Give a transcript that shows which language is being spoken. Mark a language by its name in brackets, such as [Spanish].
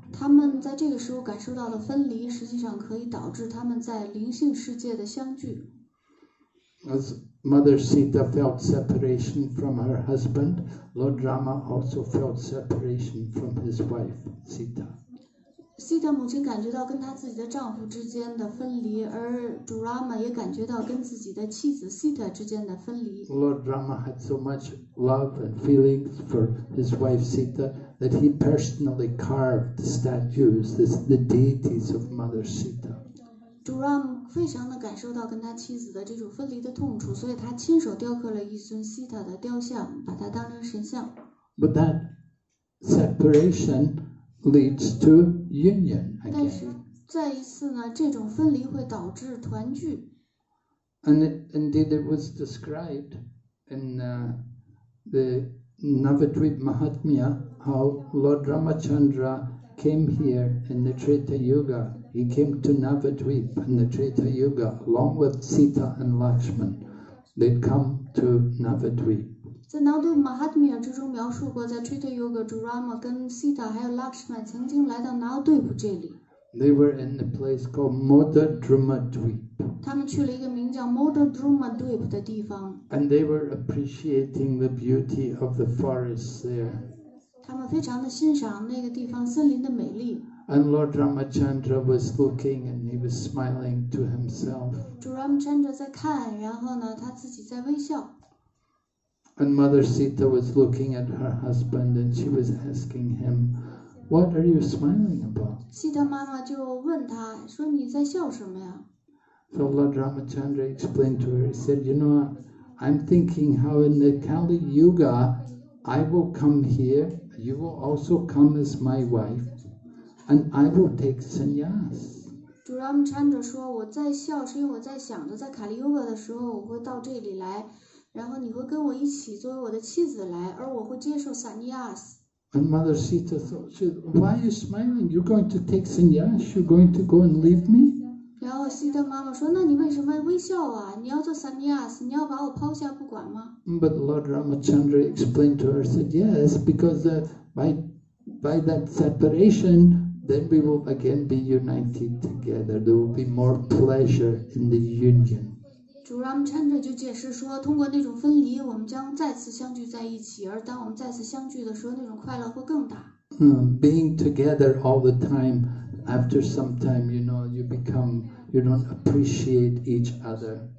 [Chinese] 他们在这个时候感受到的分离，实际上可以导致他们在灵性世界的相聚。 [English] As Mother Sita felt separation from her husband, Lord Rama also felt separation from his wife, Sita. [Chinese] Sita 母亲感觉到跟她自己的丈夫之间的分离，而主 Rama 也感觉到跟自己的妻子 Sita 之间的分离。 [English] Lord Rama had so much love and feelings for his wife Sita that he personally carved the statues, the deities of Mother Sita. [Chinese] 主 Ram 非常的感受到跟他妻子的这种分离的痛楚，所以他亲手雕刻了一尊 Sita 的雕像，把它当成神像。 [English] But that separation leads to union again. [Chinese] 但是再一次呢，这种分离会导致团聚。 [English] And indeed it was described in the Navadvip Mahatmya how Lord Ramachandra came here in the Treta Yuga. He came to Navadvip in the Treta Yuga along with Sita and Lakshman. They'd come to Navadvip. [Chinese] 在 Navadvip Mahatmya 之中描述过，在 Treta Yuga， 主 Rama 跟 Sita 还有 Lakshman 曾经来到 Navadvip 这里。 [English] They were in the place called Modadrumadvip. [Chinese] 他们去了一个名叫 Modadrumadvip 的地方。 [English] And they were appreciating the beauty of the forests there. [Chinese] 他们非常的欣赏那个地方森林的美丽。 [English] And Lord Ramachandra was looking and he was smiling to himself. [Chinese] 主 Ramachandra 在看，然后呢，他自己在微笑。 [English] And Mother Sita was looking at her husband and she was asking him, "What are you smiling about?" [Chinese] Sita 妈妈就问他说：“你在笑什么呀？” [English] So Lord Ramachandra explained to her. He said, "You know, I'm thinking how in the Kali Yuga, I will come here. You will also come as my wife. And I will take sannyas." [Chinese] 主 Ramachandra 说，我在笑是因为我在想着在卡利 Yuga 的时候我会到这里来，然后你会跟我一起作为我的妻子来，而我会接受 sannyas。 [English] And Mother Sita thought, she said, "Why are you smiling? You're going to take sannyas? You're going to go and leave me?" [Chinese] 然后西特妈妈说，那你为什么微笑啊？你要做 sannyas？ 你要把我抛下不管吗 [English] ？But Lord Ramachandra explained to her, said, "Yes, because by that separation." Then we will again be united together. There will be more pleasure in the union. [Chinese] 主 Ramachandra 就解释说，通过那种分离，我们将再次相聚在一起。而当我们再次相聚的时候，那种快乐会更大。 [English] Being together all the time, after some time, you know, you don't appreciate each other.